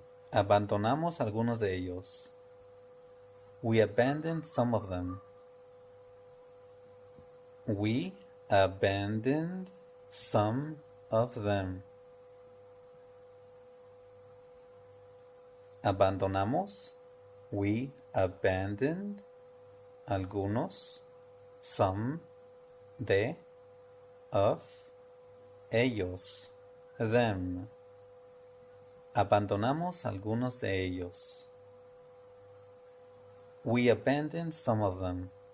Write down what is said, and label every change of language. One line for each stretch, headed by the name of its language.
Spanish: Abandonamos algunos de ellos.
English: We abandoned some of them. We abandoned some of them.
Spanish: Abandonamos.
English: We abandoned
Spanish: algunos,
English: some,
Spanish: de,
English: of,
Spanish: ellos,
English: them.
Spanish: Abandonamos algunos de ellos.
English: We abandoned some of them.